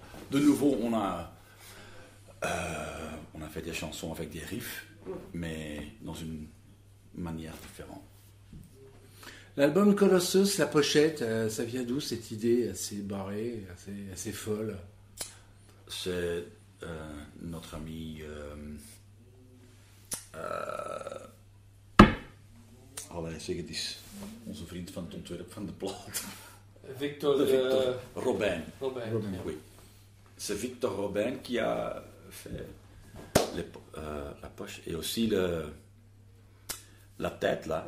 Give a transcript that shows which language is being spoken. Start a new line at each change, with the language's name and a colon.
French: De nouveau, on a fait des chansons avec des riffs. Mais dans une manière différente. L'album Colossus, la pochette, ça vient d'où cette idée assez barrée, assez folle? C'est notre ami allez,
Dutch: zeg het eens, onze vriend van het ontwerp van de plaat. Victor, De Victor Robin. Robin.
French: Oui. C'est Victor Robin qui a fait la poche et aussi la tête là,